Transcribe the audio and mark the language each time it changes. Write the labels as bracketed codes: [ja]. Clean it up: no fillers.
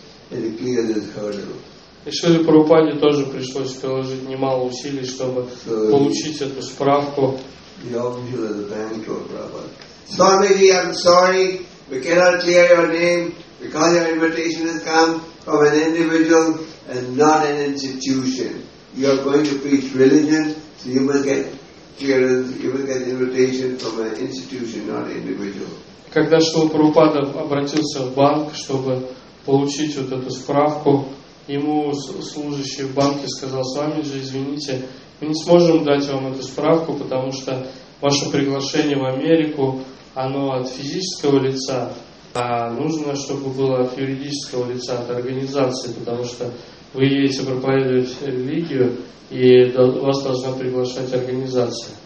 [ru] И Шриле Прабхупаде тоже пришлось приложить немало усилий, чтобы получить эту справку. [en] Swamiji, I'm sorry. We cannot clear your name because your invitation has come from an individual and not an institution. You are going to preach religion, so you must get clearance, you must get invitation from an institution, not an individual. [ru] Когда Шрила Прабхупада обратился в банк, чтобы получить вот эту справку, ему служащий в банке сказал: Свамиджи, извините, мы не сможем дать вам эту справку, потому что ваше приглашение в Америку, оно от физического лица, а нужно, чтобы было от юридического лица, от организации, потому что вы едете проповедовать религию, и вас должна приглашать организация.